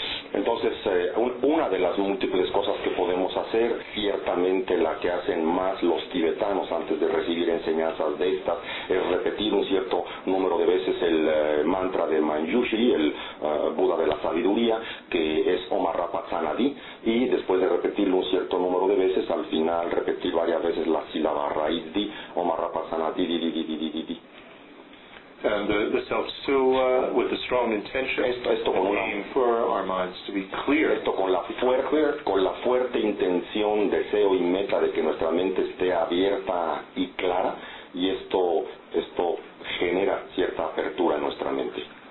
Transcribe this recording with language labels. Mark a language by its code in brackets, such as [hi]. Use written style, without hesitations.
[es] Entonces, una de las múltiples cosas que podemos hacer, ciertamente la que hacen más los tibetanos antes de recibir enseñanzas de estas, es repetir un cierto número de veces el mantra de Manjushri, el Buda de la sabiduría, que es Omar Rapatsanadi, y después de repetirlo un cierto número de veces, al final repetir varias veces la sílaba raíz di, Omar Rapatsanadi, di. [en] And this helps too with the strong intention aim for our minds to be clear. [es] Esto con la fuerte intención, deseo y meta de que nuestra mente esté abierta y clara, y esto genera cierta apertura en nuestra mente.